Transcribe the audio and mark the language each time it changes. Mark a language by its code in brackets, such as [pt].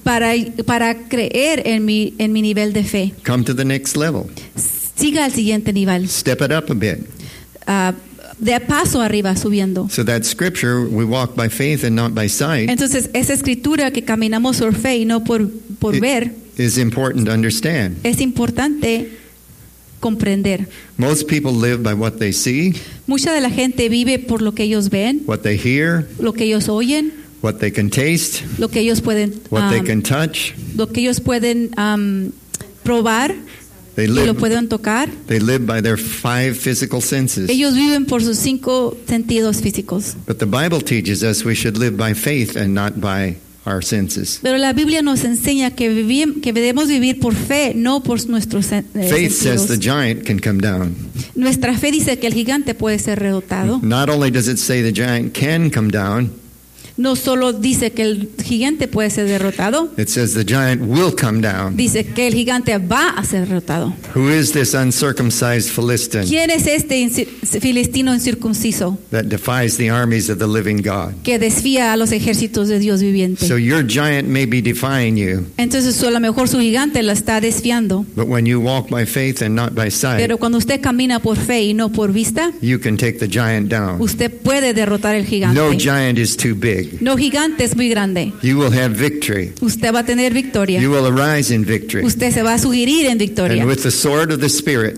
[es] Para creer en mi nivel de fe. [en] Come to the next level. [es] Siga al siguiente nivel. [en] Step it up a bit. [es] De paso arriba, subiendo. [en] So that scripture, we walk by faith and not by sight. [es] Entonces, esa escritura que caminamos por fe y no por ver. [en] Is important to understand. [es] Es importante comprender. [en] Most people live by what they see. [es] Mucha de la gente vive por lo que ellos ven. [en] What they hear. [es] Lo que ellos oyen. [en] What they can taste. [es] Lo que ellos pueden. [en] What they can touch. [es] Lo que ellos pueden probar. [en] They live, [es] y lo pueden tocar. [en] They live by their five physical senses. [es] Ellos viven por sus cinco sentidos físicos. [en] But the Bible teaches us we should live by faith and not by our senses. [es] Pero la Biblia nos enseña que debemos vivir por fe, no por nuestros sentidos. [en] Faith says the giant can come down. [es] Nuestra fe dice que el gigante puede ser derrotado. [en] Not only does it say the giant can come down. [es] No solo dice que el gigante puede ser derrotado. [en] It says the giant will come down. [es] Dice que el gigante va a ser derrotado. [en] Who is this uncircumcised Philistine? [es] ¿Quién es este filistino incircunciso? [en] That defies the armies of the living God. [es] Que desafía a los ejércitos de Dios viviente. [en] So your giant may be defying you. [es] Entonces a lo mejor su gigante la está desafiando. [en] But when you walk by faith and not by sight. [es] Pero cuando usted camina por fe y no por vista. [en] You can take the giant down. [es] Usted puede derrotar el gigante. [en] No giant is too big. [es] No gigante es muy grande. [en] You will have victory. [es] Usted va a tener victoria. [en] You will arise in victory. [es] Usted se va a surgir en victoria. [en] And with the sword of the Spirit.